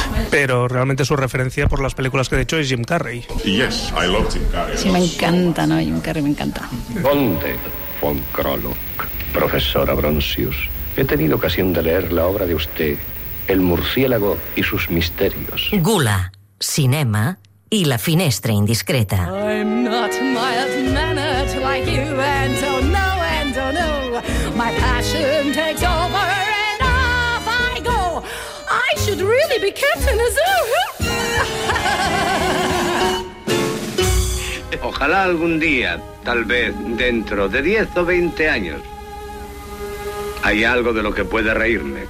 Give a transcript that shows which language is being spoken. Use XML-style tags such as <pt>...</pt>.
<es>Pero realmente su referencia por las películas que ha hecho es Jim Carrey. Sí, me encanta, ¿no? Jim Carrey me encanta. Conde von Krolok, profesor Abronsius. He tenido ocasión de leer la obra de usted, El murciélago y sus misterios. Gula, cinema y la finestra indiscreta.</es> <en>I'm not mild-mannered like you, and oh no, my passion takes over and off I go. I should really be kept in a zoo.</en> <es>Ojalá algún día, tal vez dentro de 10 o 20 años, hay algo de lo que pueda reírme.</es>